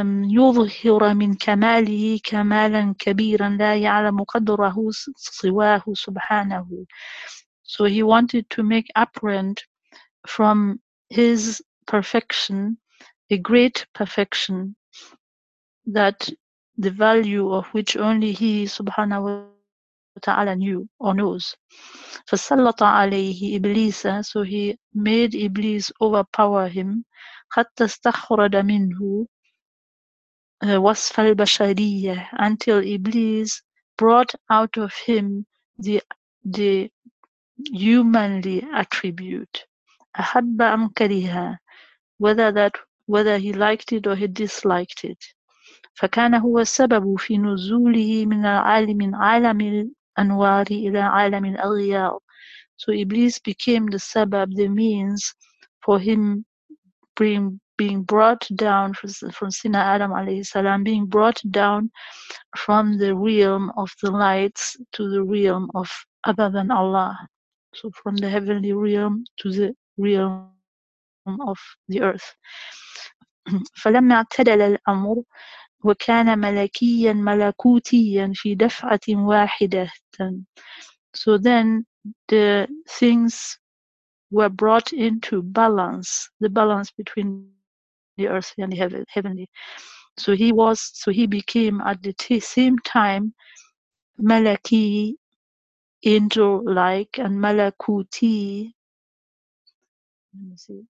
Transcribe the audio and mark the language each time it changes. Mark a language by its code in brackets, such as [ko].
[ar] يظهر من كماله كمالا كبيرا لا يعلم قدره سواه سبحانه. [en] So he wanted to make apparent from his perfection a great perfection that the value of which only he سبحانه وتعالى knew or knows. [ar] فسلط عليه إبليس, [en] so he made Iblis overpower him, [ar] حتى استخرج منه وصف البشرية, [en] until Iblis brought out of him the humanly attribute. [ar] أحب أم كره, [en] whether he liked it or he disliked it. [ar] فكان هو السبب في نزوله من العالم عالم الأنوار إلى عالم الأغيار. [en] So Iblis became the sabab, the means for him being brought down from Sina Adam alayhi salam, being brought down from the realm of the lights to the realm of other than Allah. So from the heavenly realm to the realm of the earth. [ar] فلما اعتدل الأمر وكان ملكيا ملكوتيا في دفعة واحدة. [en] So then the things were brought into balance, the balance between the earthly and the heavenly. So he became at the same time Malaki, angel-like, and Malakuti. Let me see.